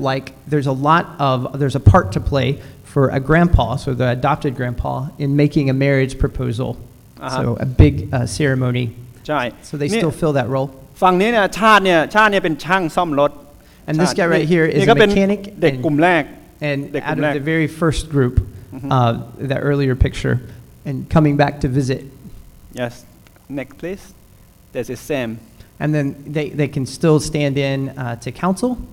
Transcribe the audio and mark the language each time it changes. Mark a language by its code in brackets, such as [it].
[en] Like there's a part to play for a grandpa, so the adopted grandpa, in making a marriage proposal. Uh-huh. So a big ceremony. Right. So they still fill that role. [th] ฝั่งนี้เนี่ยชาติเนี่ยชาติเนี่ยเป็นช่างซ่อมรถ [en] And this guy right here is a mechanic. [th] เด็กกลุ่มแรก [en] And out of the very first group, the earlier picture. And coming back to visit. Yes. Next, please. That's the same. And then they can still stand in to counsel.